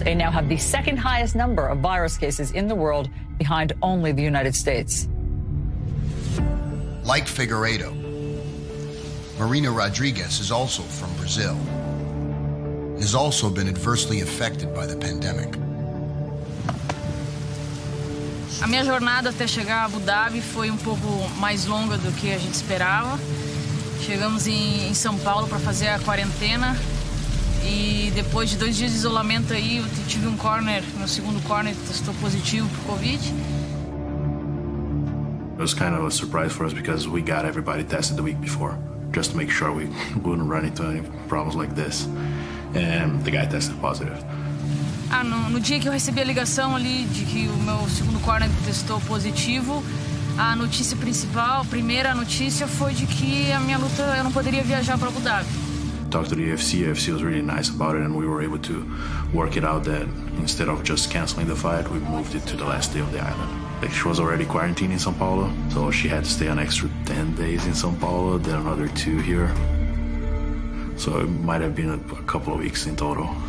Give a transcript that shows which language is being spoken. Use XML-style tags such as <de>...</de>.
<en>They now have the second highest number of virus cases in the world, behind only the United States. Like Figueiredo, Marina Rodriguez is also from Brazil. has also been adversely affected by the pandemic.</en> <pt>A minha jornada até chegar a Abu Dhabi foi um pouco mais longa do que a gente esperava. Chegamos em São Paulo para fazer a quarentena e depois de dois dias de isolamento aí eu tive um corner, meu segundo corner testou positivo para COVID.</pt> <en>It was kind of a surprise for us because we got everybody tested the week before, just to make sure we wouldn't run into any problems like this. And the guy tested positive.</en> <pt>Ah, no dia que eu recebi a ligação ali de que o meu segundo corner testou positivo, a notícia principal, a primeira notícia foi de que a minha luta, eu não poderia viajar para Abu Dhabi.</pt> <en>Talked to the UFC, UFC was really nice about it, and we were able to work it out that instead of just canceling the fight, we moved it to the last day of the island. Like she was already quarantined in São Paulo, so she had to stay an extra 10 days in São Paulo, then another two here. So it might have been a couple of weeks in total.</en>